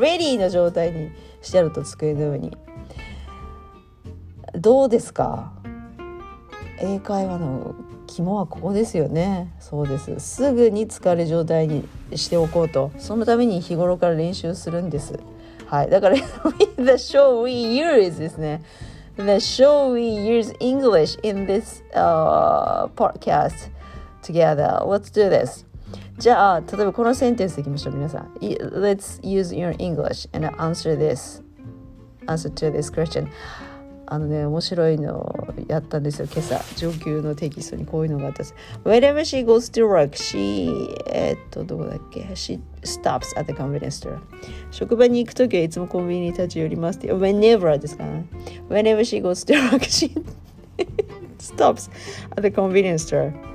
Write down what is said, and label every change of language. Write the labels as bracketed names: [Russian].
[Japanese] レディーな状態にしてあると机の上に。どうですか、英会話の肝はここですよね。そうです、すぐに疲れ状態にしておこうと。そのために日頃から練習するんです。はい、だから [English] The show we use [Japanese] ですね。 [English] The show we use English in this podcast together. Let's do this. [Japanese] じゃあ例えばこのセンテンスいきましょう。皆さん [English] Let's use your English and answer this answer to this question. [Japanese] あのね、面白いのやったんですよ今朝。上級のテキストにこういうのがあったんです。 [English] Whenever she goes to work, she [Japanese] どこだっけ、 [English] she stops at the convenience store. [Japanese] 職場に行くときはいつもコンビニに立ち寄りますって。 [English] Whenever [Japanese] ですかね。 [English] Whenever she goes to work, she stops at the convenience store.